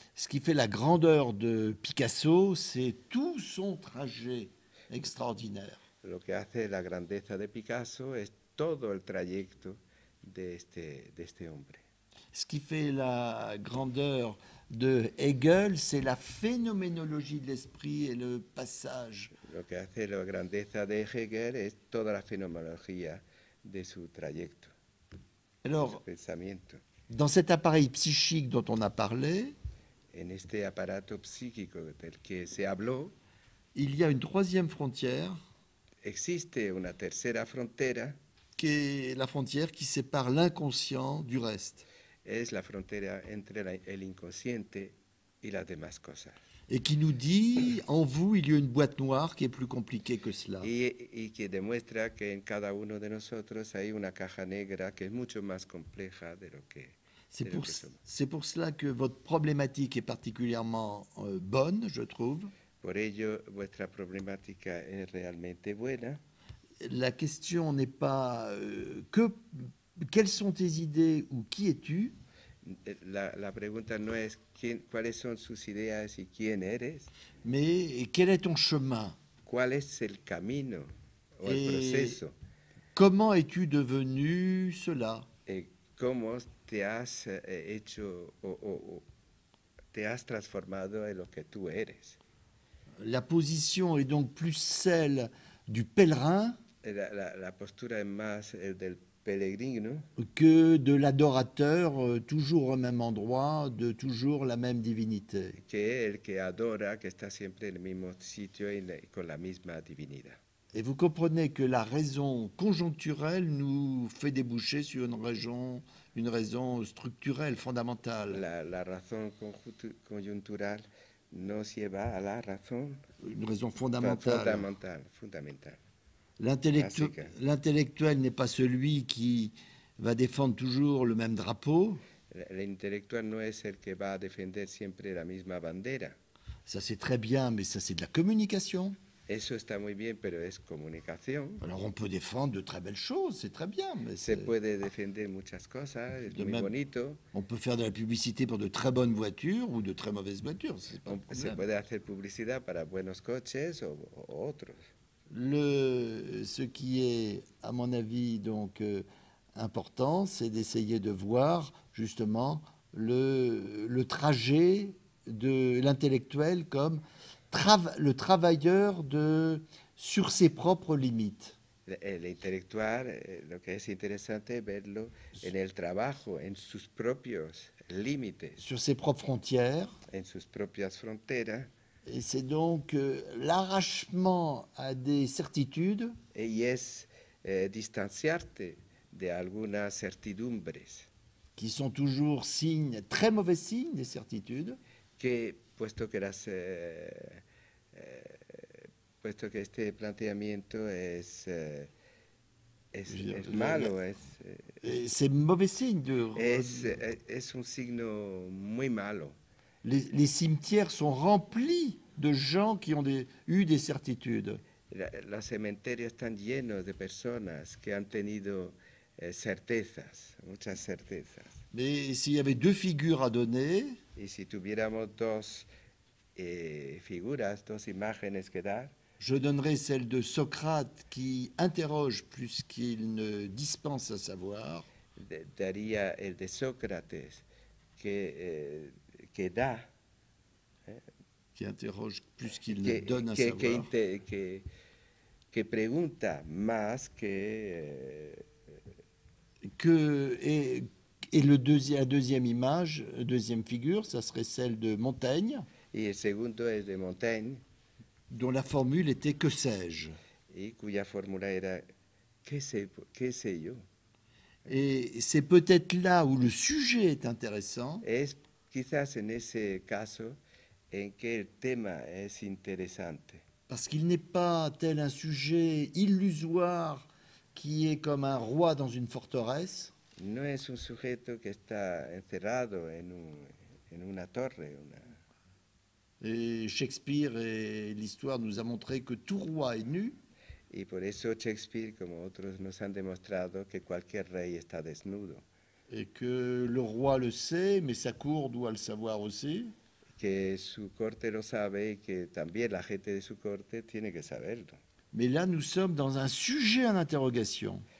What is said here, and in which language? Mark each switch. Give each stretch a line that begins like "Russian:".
French: Ce qui fait la grandeur de Picasso, c'est tout son trajet extraordinaire.
Spanish: Lo que hace la grandeza de Picasso es todo el trayecto de este hombre.
French: Ce qui fait la grandeur de Hegel, c'est la phénoménologie de l'esprit et le passage.
Spanish: Lo que hace la grandeza de Hegel es toda la fenomenología de su trayecto.
French: Alors,
Spanish: de pensamiento.
French: Dans cet appareil psychique dont on a parlé,
Spanish: en este aparato psíquico del que se habló,
French: il y a une troisième frontière.
Spanish: Existe una tercera frontera,
French: qui est la frontière qui sépare l'inconscient du reste.
Spanish: Es la frontera entre el inconsciente y las demás cosas.
French: Et qui nous dit, en vous, il y a une boîte noire qui est plus compliquée que cela. Et qui démontre que
Spanish: en cada uno de nosotros hay una caja negra que es mucho más compleja de lo que.
French: C'est pour cela que votre problématique est particulièrement bonne, je trouve.
Spanish: Por ello, vuestra problemática es realmente buena.
French: La question n'est pas que quelles sont tes idées ou qui es-tu.
Spanish: La pregunta no es cuáles son sus ideas y quién eres.
French: Mais quel est ton chemin?
Spanish: ¿Cuál es el camino o el proceso?
French: Comment es-tu devenu cela?
Spanish: Et cómo te has hecho o te has transformado en lo que tú eres?
French: La position est donc plus celle du pèlerin.
Spanish: La postura es más el del pellegrino,
French: que de l'adorateur toujours au même endroit, de toujours la même divinité.
Spanish: Que el que adora, que está siempre en el mismo sitio y con la misma divinidad.
French: Et vous comprenez que la raison conjoncturelle nous fait déboucher sur une raison structurelle, fondamentale. La raison conjoncturelle nous
Spanish: lleva
French: à la raison. Une raison fondamentale. Fondamentale. L'intellectuel n'est pas celui qui va défendre toujours le même drapeau.
Spanish: L'intellectuel no es el que va a defender siempre la misma bandera.
French: Ça c'est très bien, mais ça c'est de la communication.
Spanish: Eso está muy bien, pero es comunicación.
French: Alors on peut défendre de très belles choses, c'est très bien. Mais
Spanish: se puede defender muchas cosas, es muy bonito.
French: On peut faire de la publicité pour de très bonnes voitures ou de très mauvaises voitures, c'est pas un problème.
Spanish: Se puede hacer publicidad para buenos coches o otros.
French: Ce qui est, à mon avis, donc important, c'est d'essayer de voir justement le trajet de l'intellectuel comme le travailleur sur ses propres limites.
Spanish: L'intellectual, lo que es interesante es verlo en el trabajo, en sus propios límites.
French: Sur ses propres frontières.
Spanish: En sus propias fronteras.
French: Et c'est donc l'arrachement à des certitudes.
Spanish: Y es distanciarte de algunas certidumbres.
French: Qui sont toujours signes, très mauvais signes des certitudes.
Spanish: Que, puesto que las... puesto que este planteamiento es, es malo, es,
French: c'est mauvais signe de...
Spanish: es un signo muy malo.
French: Les cimetières sont remplis de gens qui ont eu des certitudes.
Spanish: Los cementerios están llenos de personas que han tenido certezas, muchas certezas.
French: Mais s'il y avait deux figures à donner...
Spanish: Y si tuviéramos dos figuras, dos imágenes que dar...
French: Je donnerai celle de Socrate qui interroge plus qu'il ne dispense à savoir.
Spanish: Daría el de Sócrates que da,
French: qui interroge plus qu'il ne donne à savoir.
Spanish: Que pregunta más que
French: que et le deuxième deuxième figure, ça serait celle de Montaigne.
Spanish: Y el segundo es de Montaigne.
French: Dont la formule était « Que sais-je ?»
Spanish: Et cuya formula era « Que sé yo ?»
French: Et c'est peut-être là où le sujet est intéressant.
Spanish: Es quizás en ese caso en que el tema es interesante.
French: Parce qu'il n'est pas tel un sujet illusoire qui est comme un roi dans une forteresse.
Spanish: No es un sujeto que está encerrado en una torre, una...
French: Et Shakespeare et l'histoire nous a montré que tout roi est nu.
Spanish: Y por eso Shakespeare, como otros, nos han demostrado que cualquier rey está desnudo.
French: Et que le roi le sait, mais sa cour doit le savoir aussi.
Spanish: Que su corte lo sabe y que también la gente de su corte tiene que saberlo.
French: Mais là, nous sommes dans un sujet en interrogation.